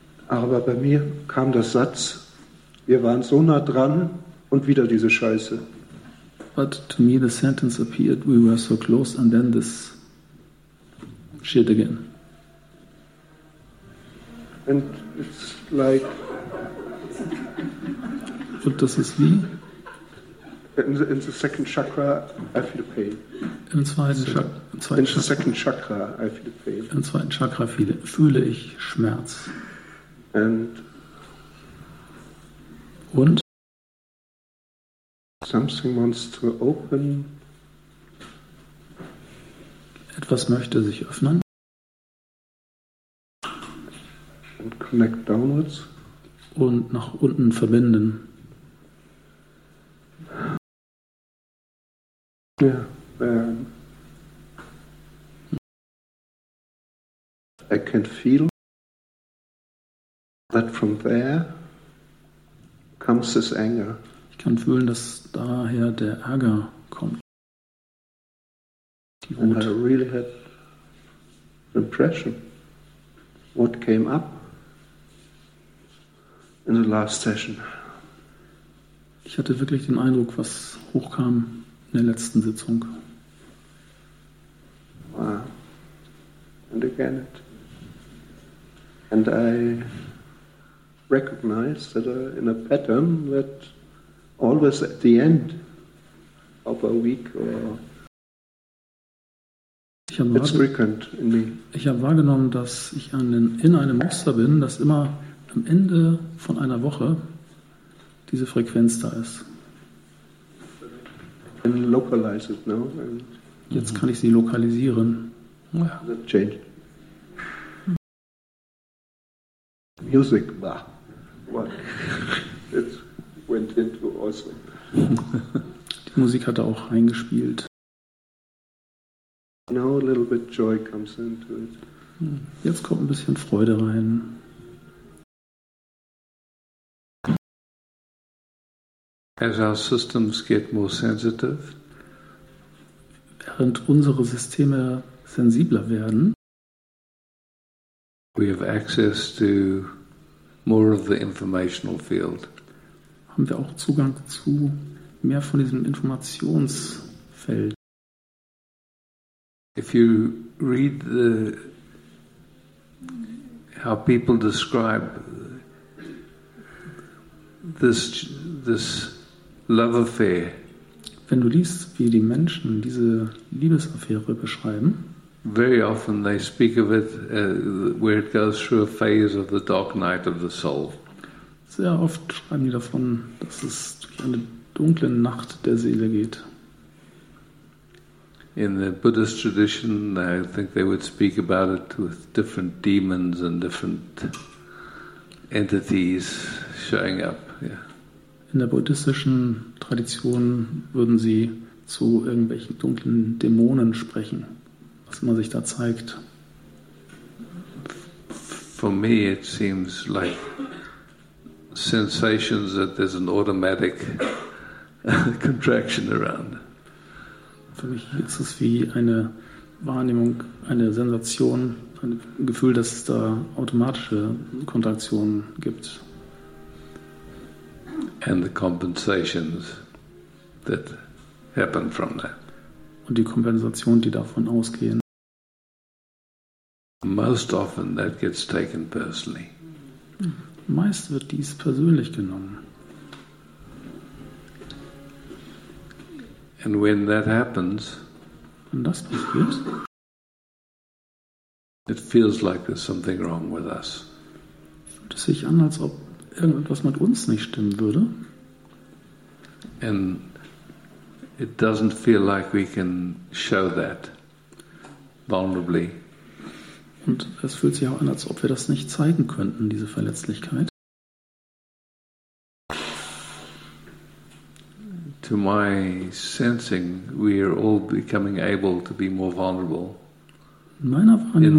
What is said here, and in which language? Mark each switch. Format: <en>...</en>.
<de>Aber bei mir kam der Satz, wir waren so nah dran und wieder diese Scheiße.</de> <en>But to me the sentence appeared, we were so close and then this shit again. And it's like...</en> <de>Und das ist wie?</de> <en>In the second chakra, I feel pain.</en> <de>Im zweiten Chakra fühle ich Schmerz. Und?</de> <en>Something wants to open.</en> <de>Etwas möchte sich öffnen.</de> <en>And connect downwards.</en> <de>Und nach unten verbinden.</de> <en>Yeah, I can feel that from there comes this anger.</en> <de>Ich kann fühlen, dass daher der Ärger kommt. Die Wut.</de> <en>And I really had an impression what came up in the last session.</en> <de>Ich hatte wirklich den Eindruck, was hochkam in der letzten Sitzung.</de> <en>Wow. And again it. And I recognize that in a pattern that always at the end of a week or it's frequent in me.</en> <de>Ich habe wahrgenommen, dass ich in einem Muster bin, das immer am Ende von einer Woche diese Frequenz da ist.</de> <en>And localize it now.</en> <de>Jetzt kann ich sie lokalisieren.</de> <en>Yeah. That changed. Music, bah. What? It went into also.</en> <de>Die Musik hat er auch reingespielt.</de> <en>Now a little bit joy comes into it.</en> <de>Jetzt kommt ein bisschen Freude rein.</de> <en>As our systems get more sensitive,</en> <de>während unsere Systeme sensibler werden,</de> <en>we have access to more of the informational field.</en> <de>Haben wir auch Zugang zu mehr von diesem Informationsfeld.</de> <en>If you read the how people describe this love affair.</en> <de>Wenn du liest, wie die Menschen diese Liebesaffäre beschreiben.</de> <en>Very often they speak of it where it goes through a phase of the dark night of the soul.</en> <de>Sehr oft schreiben die davon, dass es durch eine dunkle Nacht der Seele geht.</de> <en>In the Buddhist tradition, I think they would speak about it with different demons and different entities showing up. Yeah.</en> <de>In der buddhistischen Tradition würden sie zu irgendwelchen dunklen Dämonen sprechen, was immer sich da zeigt.</de> <en>For me, it seems like sensations that there's an automatic contraction around.</en> <de>Für mich ist es wie eine Wahrnehmung, eine Sensation, ein Gefühl, dass es da automatische Kontraktionen gibt.</de> <en>And the compensations that happen from that.</en> <de>Und die Kompensation, die davon ausgehen.</de> <en>Most often that gets taken personally.</en> <de>Meist wird dies persönlich genommen.</de> <en>And when that happens,</en> <de>wenn das passiert,</de> <en>it feels like there's something wrong with us.</en> <de>Fühlt es sich an, als ob irgendetwas mit uns nicht stimmen würde.</de> <en>And it doesn't feel like we can show that vulnerably.</en> <de>Und es fühlt sich auch an, als ob wir das nicht zeigen könnten, diese Verletzlichkeit.</de> <en>To my sensing, we are all becoming able to be more vulnerable.</en> <de>Meiner Wahrnehmung,</de>